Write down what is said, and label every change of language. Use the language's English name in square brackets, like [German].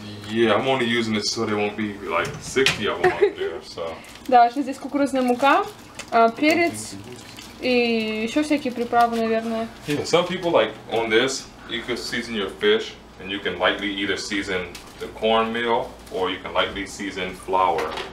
[English] Yeah, I'm only using it so there won't be like 60 of them up there. [Russian] Да, что здесь кукурузная мука, перец и еще всякие приправы, наверное. [English] Yeah, some people like on this, you could season your fish, and you can lightly either season the cornmeal or you can lightly season flour.